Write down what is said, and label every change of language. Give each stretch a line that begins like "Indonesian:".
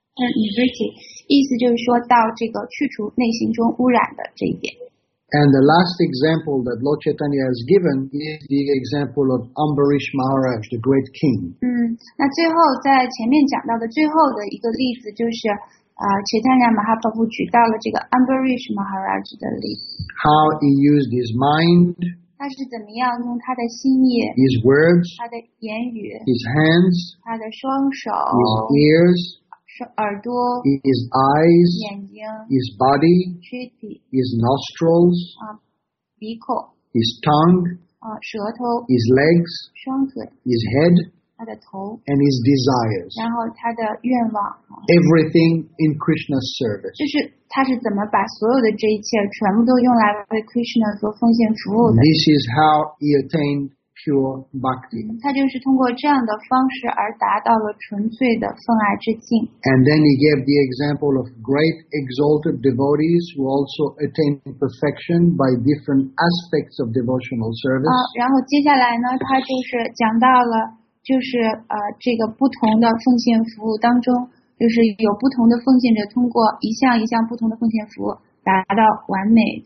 Chinese: 意思就是说到这个去除内心中污染的这一点。
English: And the last example that Lord Chaitanya has given is the example of Ambarish Maharaj, the great king.
Chinese: 那最后在前面讲到的最后的一个例子就是Chaitanya Mahaprabhu 举到了这个 Ambarish Maharaj 的例子。
English: How he used his mind,
Chinese: 他是怎么样用他的心意
English: his words,
Chinese: 他的言语
English: his hands,
Chinese: 他的双手
English: his ears,
Chinese: 耳朵
English: his eyes,
Chinese: 眼睛
English: his body,
Chinese: 躯体
English: his nostrils,
Chinese: 鼻孔
English: his tongue,
Chinese: 舌头
English: his legs,
Chinese: 双腿
English: his head,
Chinese: 他的头
English: and his desires,
Chinese: 然后他的愿望
English: everything in Krishna's service.
Chinese: 就是他是怎么把所有的这一切全部都用来为 Krishna 做奉献服务的。
English: This is how he attained pure bhakti.
Chinese: 他就是通过这样的方式而达到了纯粹的奉爱之境。
English: And then he gave the example of great exalted devotees who also attained perfection by different aspects of devotional service.
Chinese: 然后接下来呢他就是讲到了就是这个不同的奉献服务当中就是有不同的奉献者通过一项一项不同的奉献服务达到完美。